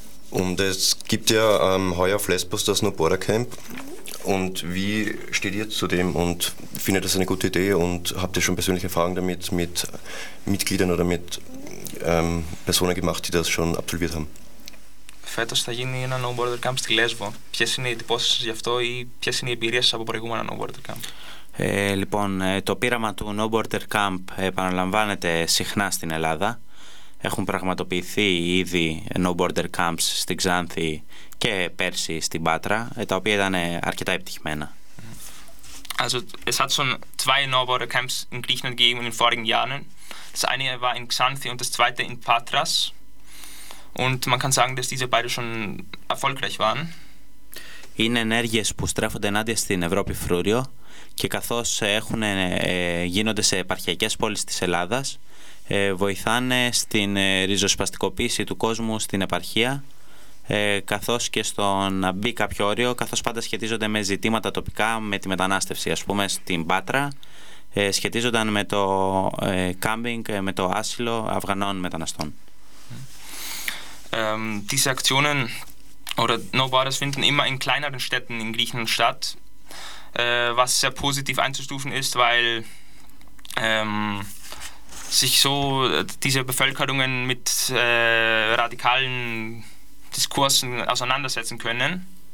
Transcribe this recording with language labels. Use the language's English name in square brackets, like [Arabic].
[German] Und es gibt ja heuer auf Lesbos das No Border Camp. Und wie steht ihr zu dem und findet das eine gute Idee und habt ihr schon persönliche Erfahrungen damit mit Mitgliedern oder mit Personen gemacht, die das schon absolviert haben? [Greek] Φέτος θα γίνει ένα No Border Camp στη Λέσβο. Ποιες είναι οι εντυπώσεις γι' αυτό ή ποιες είναι οι εμπειρίες από προηγούμενα No Border Camp? Λοιπόν, το πείραμα του No Border Camp επαναλαμβάνεται συχνά στην Ελλάδα. Έχουν πραγματοποιηθεί ήδη No Border Camps στη Ξάνθη και πέρσι στην Πάτρα, τα οποία ήταν αρκετά επιτυχημένα. [German] Also es hat schon zwei No Border Camps in Griechenland gegeben in den vorigen Jahren. Das eine war in Ξάνθη und das zweite in Patras. Und man kann sagen, dass diese beide schon erfolgreich waren. [Greek] Είναι ενέργειες που στρέφονται ενάντια στην Ευρώπη φρούριο και καθώς έχουν γίνονται σε επαρχιακές πόλεις της Ελλάδας, βοηθάνε στην ριζοσπαστικοποίηση του κόσμου στην επαρχία, καθώς και στο να μπει κάποιο όριο, καθώς πάντα σχετίζονται με ζητήματα τοπικά, με τη μετανάστευση. Ας πούμε στην Πάτρα σχετίζονταν με το κάμπινγκ, με το άσυλο Αφγανών μεταναστών. [German] Diese Aktionen oder No Borders finden immer in kleineren Städten in Griechenland statt, was sehr positiv einzustufen ist, weil sich so diese Bevölkerungen mit radikalen Diskursen auseinandersetzen können.